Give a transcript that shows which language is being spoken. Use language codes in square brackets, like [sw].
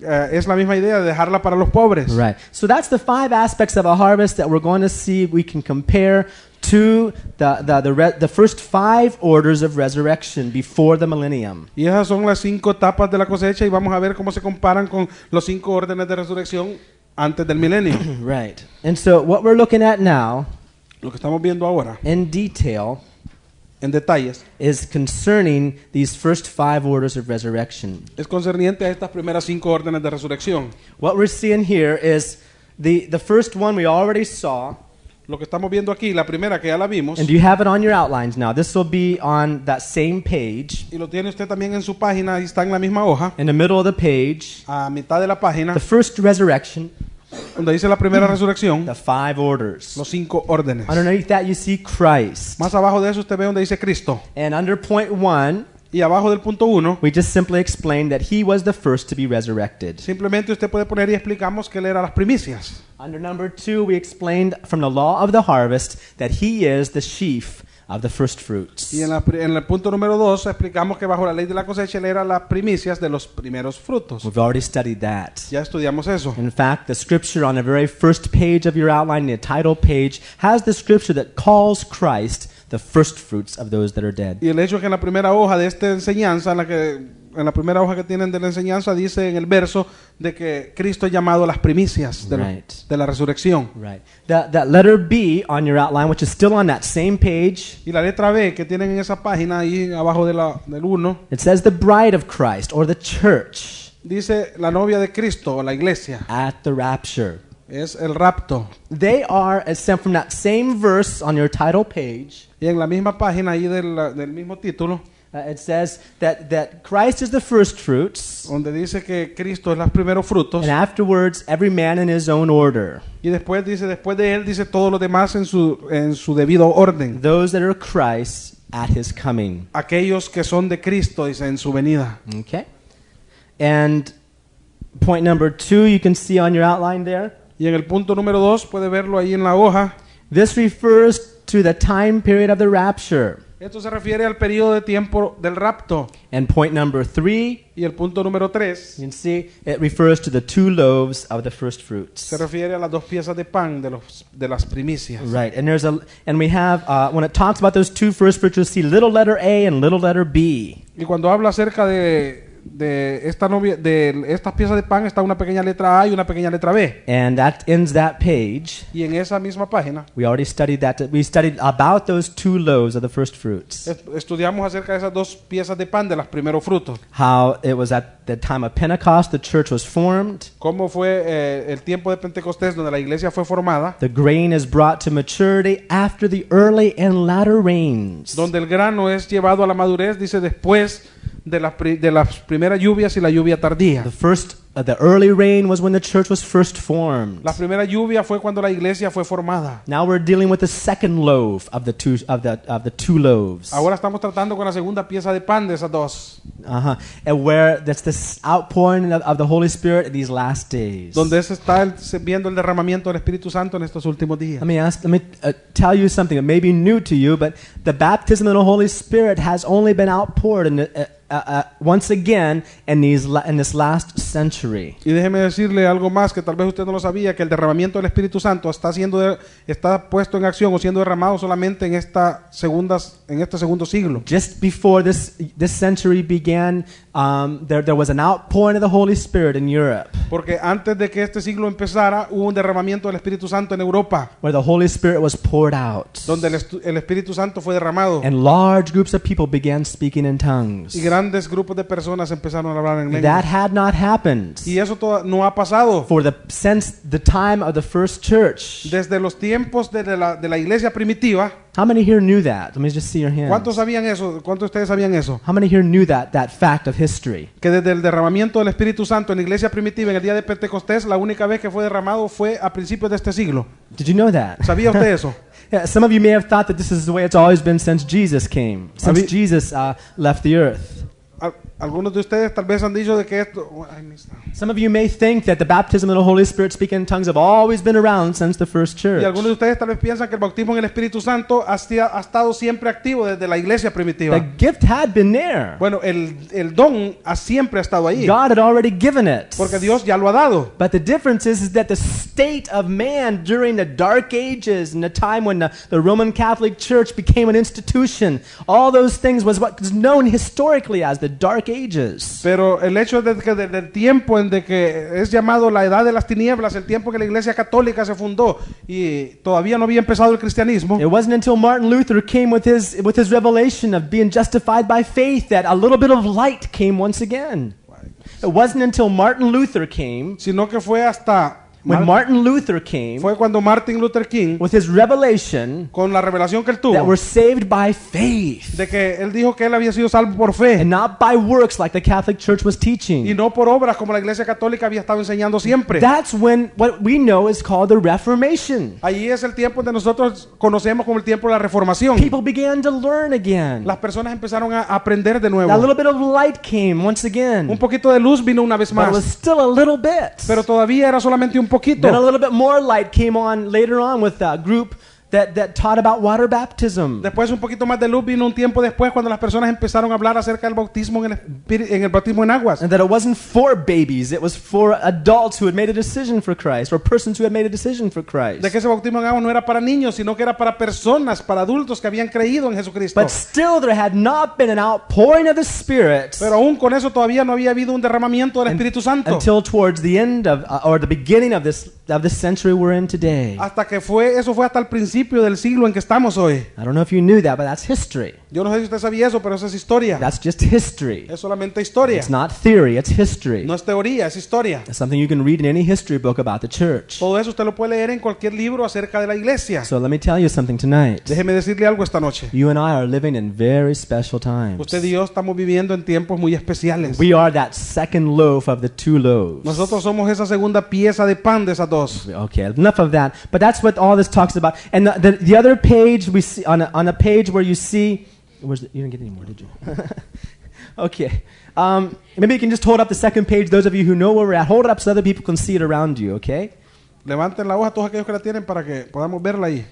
[es] Es la misma idea de dejarla para los pobres. [en] Right. So that's the five aspects of a harvest that we're going to see we can compare to the first five orders of resurrection before the millennium. [es] Y esas son las cinco etapas de la cosecha y vamos a ver cómo se comparan con los cinco órdenes de resurrección antes del milenio. [en] Right. And so what we're looking at now, [es] lo que estamos viendo ahora, [en] in detail, [es] en detalles, [en] is concerning these first five orders of resurrection. [es] Es concerniente a estas primeras cinco órdenes de resurrección. [en] What we're seeing here is the first one we already saw. [es] Lo que estamos viendo aquí, la primera que ya la vimos. [en] And you have it on your outlines now. This will be on that same page. [es] Y lo tiene usted también en su página, y está en la misma hoja. [en] In the middle of the page. [es] A mitad de la página. [en] The first resurrection. [es] Donde dice la primera resurrección, [en] the five orders. [es] Los cinco órdenes. [en] Underneath that you see Christ. [es] Más abajo de eso usted ve donde dice Cristo. [en] And under point one, [es] y abajo del punto uno, [en] we just simply explain that he was the first to be resurrected. [es] Simplemente usted puede poner y explicamos que él era las primicias. [en] Under number two, we explained from the law of the harvest that he is the sheaf of the first fruits. [es] Y en el punto número dos explicamos que bajo la ley de la cosecha él era las primicias de los primeros frutos. [en] We've already studied that. [es] Ya estudiamos eso. [en] In fact, the scripture on the very first page of your outline, the title page, has the scripture that calls Christ the first fruits of those that are dead. [es] Y el hecho es que en la primera hoja de esta enseñanza, en la primera hoja que tienen de la enseñanza, dice en el verso de que Cristo es llamado las primicias de, [en] right, [es] de la resurrección. [en] Right. That letter B on your outline, which is still on that same page. [es] Y la letra B que tienen en esa página ahí abajo del uno. [en] It says the bride of Christ or the church. [es] Dice la novia de Cristo o la iglesia. [en] At the rapture. [es] Es el rapto. [en] They are, as sent from that same verse on your title page. [es] Y en la misma página ahí del mismo título. [en] It says that Christ is the first fruits. [es] Donde dice que Cristo es los primeros frutos. [en] And afterwards, every man in his own order. [es] Y después de él dice todos los demás en su debido orden. [en] Those that are Christ at his coming. [es] Aquellos que son de Cristo dice en su venida. [en] Okay. And point number two, you can see on your outline there. [es] Y en el punto número dos puede verlo ahí en la hoja. [en] This refers to the time period of the rapture. [es] Esto se refiere al periodo de tiempo del rapto. [en] And point number three. [es] Y el punto número tres. [en] You can see it refers to the two loaves of the first fruits. [es] Se refiere a las dos piezas de pan de las primicias. [en] Right, and when it talks about those two first fruits, you'll see little letter A and little letter B. [es] Y cuando habla acerca de estas piezas de pan está una pequeña letra A y una pequeña letra B. [en] And that ends that page. [es] Y en esa misma página. [en] We already studied that. We studied about those two loaves of the first fruits. [es] Estudiamos acerca de esas dos piezas de pan de los primeros frutos. [en] How it was at the time of Pentecost, the church was formed. [es] Cómo fue el tiempo de Pentecostés donde la iglesia fue formada. [en] The grain is brought to maturity after the early and latter rains. [es] Donde el grano es llevado a la madurez, dice después. De las primeras lluvias y la lluvia tardía. [en] The early rain was when the church was first formed. [es] La primera lluvia fue cuando la iglesia fue formada. [en] Now we're dealing with the second loaf of the two loaves. [es] Ahora estamos tratando con la segunda pieza de pan de esas dos. Uh-huh. [en] And where that's this outpouring of the Holy Spirit in these last days. [es] Donde se está viendo el derramamiento del Espíritu Santo en estos últimos días. [en] Let me tell you something that may be new to you, but the baptism of the Holy Spirit has only been outpoured once again in this last century. [es] Y déjeme decirle algo más que tal vez usted no lo sabía, que el derramamiento del Espíritu Santo está puesto en acción o siendo derramado solamente en este segundo siglo. [en] Just before this century began, there was an outpouring of the Holy Spirit in Europe. [es] Porque antes de que este siglo empezara, hubo un derramamiento del Espíritu Santo en Europa. [en] Where the Holy Spirit was poured out. [es] Donde el Espíritu Santo fue derramado. [en] And large groups of people began speaking in tongues. [es] Y grandes grupos de personas empezaron a hablar en lenguas. [en] That had not happened. [es] Y eso no ha pasado. [en] Since the time of the first church. [es] Desde los tiempos de la iglesia primitiva. [en] How many here knew that? Let me just see your hands. [es] ¿Cuántos sabían eso? ¿Cuántos ustedes sabían eso? [en] How many here knew that fact of history? [es] Que desde el derramamiento del Espíritu Santo en la iglesia primitiva en el día de Pentecostés, la única vez que fue derramado fue a principios de este siglo. [en] Did you know that? [es] ¿Sabía usted eso? [en] Yeah, some of you may have thought that this is the way it's always been since Jesus came, since Jesus left the earth. [es] Algunos de ustedes tal vez han dicho de que esto. [en] Some of you may think that the baptism of the Holy Spirit speaking in tongues have always been around since the first church. [es] Y algunos de ustedes tal vez piensan que el bautismo en el Espíritu Santo ha estado siempre activo desde la iglesia primitiva. [en] The gift had been there. [es] Bueno, el don ha siempre estado ahí. [en] God had already given it. [es] Porque Dios ya lo ha dado. [en] But the difference is that the state of man during the dark ages and the time when the Roman Catholic Church became an institution, all those things was what is known historically as the dark ages. [es] Pero el hecho de que desde el tiempo en de que es llamado la edad de las tinieblas, el tiempo que la iglesia católica se fundó y todavía no había empezado el cristianismo. [en] It wasn't until Martin Luther came with his revelation of being justified by faith that a little bit of light came once again. It wasn't until Martin Luther came. [es] Sino que fue hasta [en] when Martin Luther came, [es] fue cuando Martin Luther King, [en] with his revelation, [es] con la revelación que él tuvo, [en] that we're saved by faith, [es] de que él dijo que él había sido salvo por fe, [en] and not by works like the Catholic Church was teaching, [es] y no por obras como la Iglesia Católica había estado enseñando siempre. [en] That's when what we know is called the Reformation. [es] Allí es el tiempo donde nosotros conocemos como el tiempo de la Reformación. [en] People began to learn again. [es] Las personas empezaron a aprender de nuevo. [en] A little bit of light came once again. [es] Un poquito de luz vino una vez más. [en] But it was still a little bit. [es] Pero todavía era solamente un. [en] Then a little bit more light came on later on with a group that taught about water baptism. [es] Después un poquito más de luz vino un tiempo después cuando las personas empezaron a hablar acerca del bautismo en el bautismo en aguas. [en] And that it wasn't for babies, it was for adults who had made a decision for Christ, or persons who had made a decision for Christ. [es] De que ese bautismo en agua no era para niños, sino que era para personas, para adultos que habían creído en Jesucristo. [en] But still there had not been an outpouring of the Spirit. [es] Pero aún con eso todavía no había habido un derramamiento del Espíritu Santo. [en] Until towards the end of or the beginning of this century we're in today. [es] Hasta que fue eso fue hasta el principio principio del siglo en que estamos hoy. [en] I don't know if you knew that, but that's history. [es] Yo no sé si usted sabía eso, pero eso es historia. [en] That's just history. [es] Es solamente historia. [en] It's not theory, it's history. [es] No es teoría, es historia. [en] It's something you can read in any history book about the church. [es] Todo eso usted lo puede leer en cualquier libro acerca de la iglesia. [en] So let me tell you something tonight. [es] Déjeme decirle algo esta noche. [en] You and I are living in very special times. [es] Usted y yo estamos viviendo en tiempos muy especiales. [en] We are that second loaf of the two loaves. [es] Nosotros somos esa segunda pieza de pan de esas dos. [en] Okay, enough of that. But that's what all this talks about. And the other page we see on a page where you see, you didn't get any more, did you? Okay. Maybe you can just hold up the second page. Those of you who know where we're at, hold it up so other people can see it around you. Okay. [es] Levanten la hoja todos aquellos que la tienen para que podamos verla ahí.